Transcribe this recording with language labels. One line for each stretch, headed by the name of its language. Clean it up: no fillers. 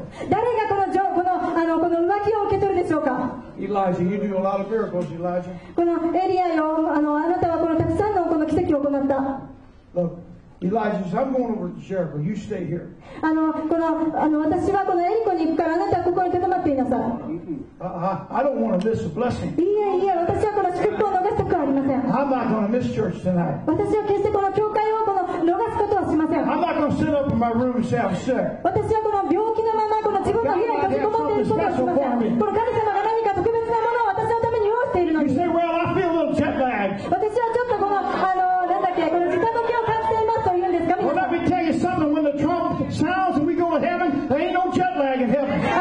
Japanese: 誰がこの浮気を受け取るでしょうか。
English: Elijah, you do a lot of miracles, Elijah.
Japanese: このエリアよ、あなたはこのたくさんのこの奇跡を行った。
English: Look, Elijah, I'm going over to Jericho. You stay here.
Japanese: この私はこのエリコに行くから、あなたはここに留まっていなさい。
English: I don't want to miss a blessing.
Japanese: いいえ、私はこの祝福を逃すことはありません。
English: I'm not going to miss church tonight.
Japanese: 私は決してこの教会を逃すことはしません。
English: I'm not going to sit up in my room and say I'm sick.
Japanese: 私はこの病気のまま、この自分の部屋に閉じこもっていることはしません。この神様が何か特別なものを私のために用意しているのに。
English: You say, well, I feel a little jet lagged.
Japanese: 私はちょっとこの、なんだっけ、この時差ぼけを感じていますと言うんですか。
English: Well, let me tell you something. When the trumpet sounds and we go to heaven, there ain't no jet lag in heaven.